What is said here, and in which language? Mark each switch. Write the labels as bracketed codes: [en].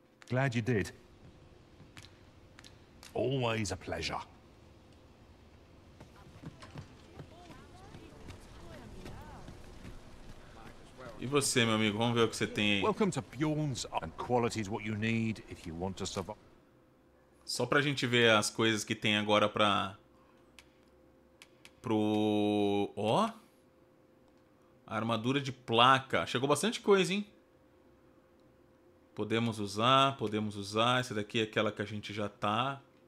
[en] Glad you did. Always a pleasure. [pt] E você, meu amigo, vamos ver o que você tem aí. [en] Welcome to Bjorn's and quality is what you need if you want to survive. [pt] Só pra gente ver as coisas que tem agora pra. Pro. Ó! Oh? Armadura de placa. Chegou bastante coisa, hein? Podemos usar, podemos usar. Essa daqui é aquela que a gente já tá.